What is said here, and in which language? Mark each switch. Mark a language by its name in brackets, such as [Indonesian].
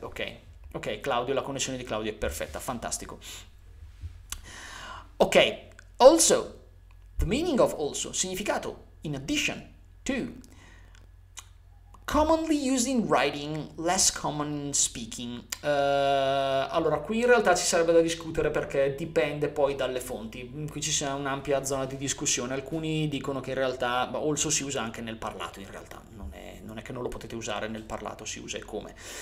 [Italian] Ok, Claudio, la connessione di Claudio è perfetta, fantastico. [English] Ok, also, the meaning of also, significato, in addition to. Commonly used in writing, less common in speaking. [Italian] Allora, qui in realtà ci sarebbe da discutere perché dipende poi dalle fonti. Qui ci sia un'ampia zona di discussione. Alcuni dicono che in realtà also si usa anche nel parlato, in realtà non è che non lo potete usare nel parlato, si usa e come.